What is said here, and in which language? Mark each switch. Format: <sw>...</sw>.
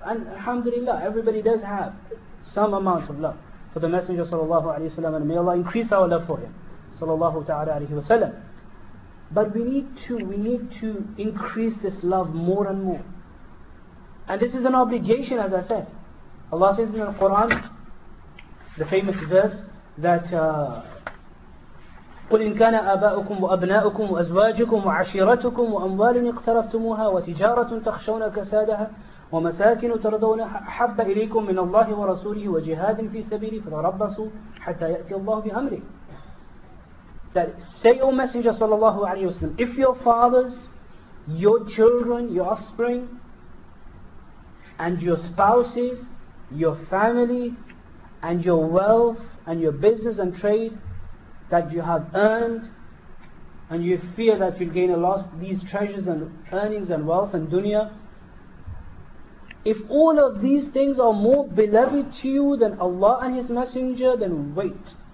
<en>And alhamdulillah, everybody does have some amount of love for the Messenger sallallahu alayhi wa sallam, and may Allah increase our love for him, sallallahu ta'ala alayhi wa sallam. But we need to increase this love more and more. And this is an obligation, as I said. Allah says in the Quran, the famous verse, that</en> <ar>قل إن كان آباؤكم وأبناؤكم وأزواجكم وعشيرتكم وأموال اقترفتموها وتجارة تخشون كسادها ومساكن ترضونها أحب إليكم من الله ورسوله وجهاد في سبيله فتربصوا حتى يأتي الله بأمره.</ar> <en>That say, O Messenger</en> <ar>صلى الله عليه وسلم,</ar> <en>if your fathers, your children, your offspring, and your spouses, your family, and your wealth, and your business and trade, that you have earned, and you fear that you'll gain a loss, these treasures and earnings and wealth and dunya, if all of these things are more beloved to you than Allah and His Messenger, then wait.</en>